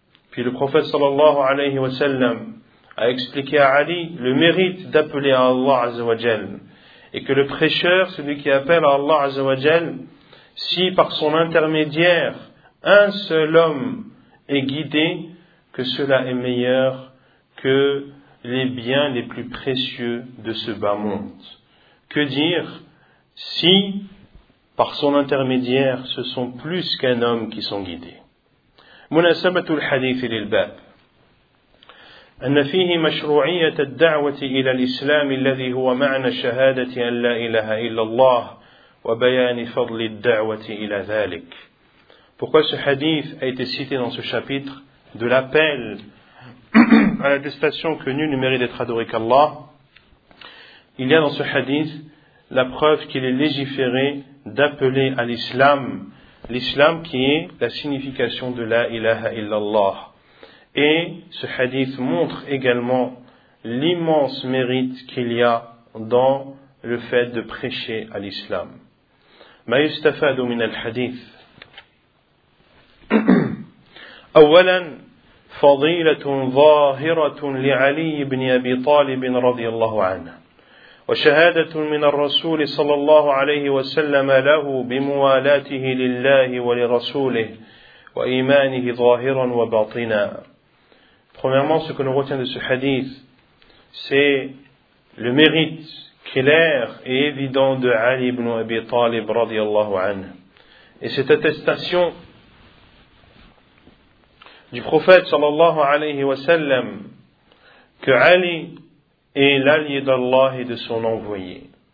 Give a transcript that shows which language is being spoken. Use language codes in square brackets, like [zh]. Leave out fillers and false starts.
[fr] Puis le prophète [ar] sallallahu alayhi wa sallam [fr] a expliqué à Ali le mérite d'appeler à Allah [ar] azza wa jal [fr] et que le prêcheur, celui qui appelle à Allah azza wa jal, si par son intermédiaire un seul homme est guidé, que cela est meilleur que les biens les plus précieux de ce bas monde. Que dire si par son intermédiaire ce sont plus qu'un homme qui sont guidés. [ar] مناسبة الحديث للباب أن فيه مشروعية الدعوة إلى الإسلام الذي هو معنى شهادة أن لا إله إلا الله وبيان فضل الدعوة إلى ذلك. [fr] Pourquoi ce hadith a été cité dans ce chapitre de l'appel à l'attestation que nul ne mérite d'être adoré qu'Allah? Il y a dans ce hadith la preuve qu'il est légiféré d'appeler à l'islam. L'islam qui est la signification de [ar] la ilaha illallah. [fr] Et ce hadith montre également l'immense mérite qu'il y a dans le fait de prêcher à l'islam. [ar] Ma yustafadu min al-hadith. Awalan, fadilatun zahiratun li'ali ibn Abi Talibin radiyallahu anha. وشهادة من الرسول صلى الله عليه وسلم له بموالاته لله ولرسوله وإيمانه ظاهرا وباطنا. [fr] Premièrement, ce que nous retenons de ce hadith, c'est le mérite clair et évident de Ali ibn Abi Talib [ar] radiyallahu anhu. [fr] Et cette attestation du prophète [ar] sallallahu alayhi wa sallam [fr] que Ali est l'allié d'Allah et de son envoyé.